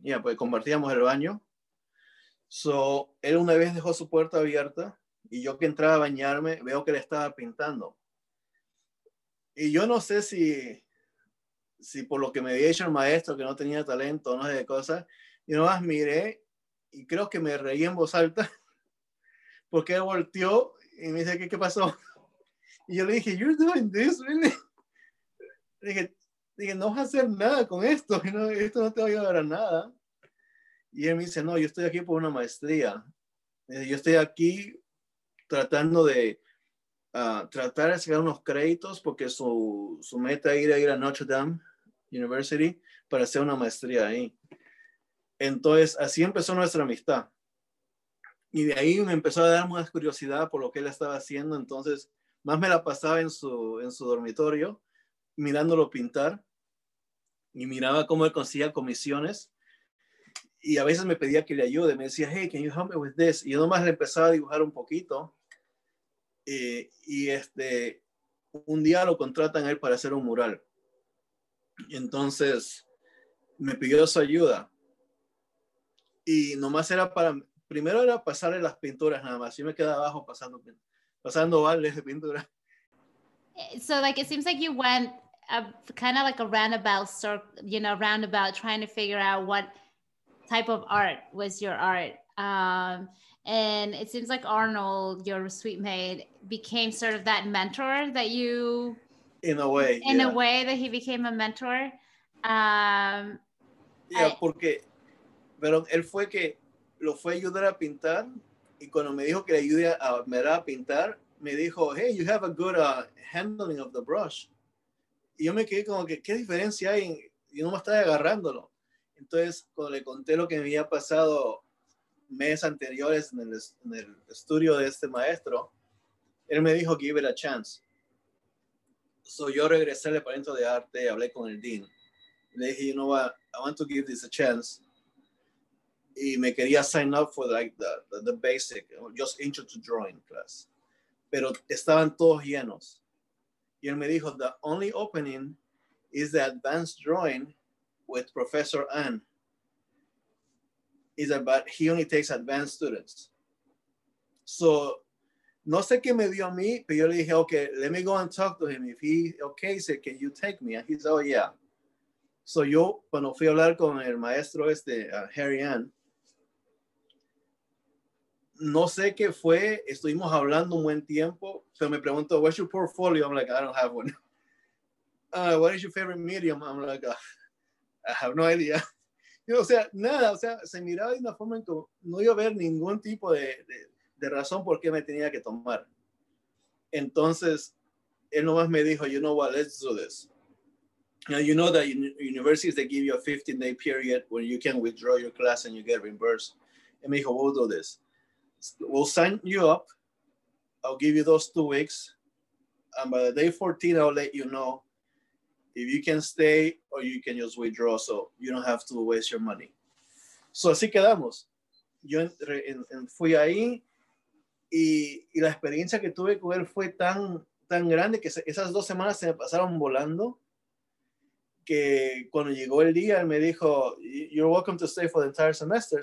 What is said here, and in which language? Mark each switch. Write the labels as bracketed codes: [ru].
[es] Ya, pues compartíamos el baño. So, él una vez dejó su puerta abierta y yo que entraba a bañarme, veo que le estaba pintando. Y yo no sé si por lo que me había dicho el maestro, que no tenía talento, no sé de cosas, yo nomás miré y creo que me reí en voz alta porque él volteó y me dice, ¿qué pasó? Y yo le dije, [en] you're doing this, really? [es] Dije, no vas a hacer nada con esto, ¿no? Esto no te va a ayudar a nada. Y él me dice, no, yo estoy aquí por una maestría. Yo estoy aquí tratando de tratar de sacar unos créditos porque su meta era ir a Notre Dame University para hacer una maestría ahí. Entonces, así empezó nuestra amistad. Y de ahí me empezó a dar más curiosidad por lo que él estaba haciendo. Entonces, más me la pasaba en su dormitorio mirándolo pintar y miraba cómo él conseguía comisiones. Y a veces me pedía que le ayude. Me decía, [en] hey, can you help me with this? [es] Y yo nomás le empezaba a dibujar un poquito. Y un día lo contratan a él para hacer un mural. Y entonces me pidió su ayuda. Y nomás era para, primero era pasarle las pinturas nada más. Yo me quedaba abajo pasando vales de pintura. [en] So like, it seems like you went kind of like a roundabout circle, you know, roundabout trying to figure out what type of art was your art. And it seems like Arnold, your sweet mate, became sort of that mentor that you... In a way, In a way that he became a mentor. [es] Yeah, porque... Pero él fue que lo fue ayudar a pintar Y cuando me dijo que le ayude a Mera a pintar, me dijo, [en] hey, you have a good handling of the brush. [es] Y yo me quedé como que, ¿qué diferencia hay? Y no me estaba agarrándolo. Entonces, cuando le conté lo que me había pasado meses anteriores en el estudio de este maestro, él me dijo, [en] give it a chance. [es] So yo regresé al departamento de arte, hablé con el dean. Le dije, [en] you know what, I want to give this a chance. [es] Y me quería [en] sign up for like the basic, just intro to drawing class. [es] Pero estaban todos llenos. Y él me dijo, [en] the only opening is the advanced drawing with Professor Ann. Is about, he only takes advanced students. [es] So, no sé qué me dio a mí, pero yo le dije, [en] okay, let me go and talk to him. If he, okay, he said, can you take me? And he said, oh yeah. [es] So yo, cuando fui a hablar con el maestro este, Harry Ann, no sé qué fue, estuvimos hablando un buen tiempo, pero me preguntó, [en] what's your portfolio? I'm like, I don't have one. What is your favorite medium? I'm like, I have no idea. [es] O sea, nada, o sea, se miraba de una forma en que no iba a haber ningún tipo de razón por qué me tenía que tomar. Entonces, él nomás me dijo, [en] you know what, let's do this. Now, you know that universities, they give you a 15-day period when you can withdraw your class and you get reimbursed. [es] Y me dijo, [en] we'll do this. We'll sign you up. I'll give you those 2 weeks. And by the day 14, I'll let you know if you can stay or you can just withdraw so you don't have to waste your money. [es] So así quedamos. Yo fui ahí y la experiencia que tuve con él fue tan grande que esas 2 semanas se me pasaron volando. Que cuando llegó el día, él me dijo, [en] you're welcome to stay for the entire semester.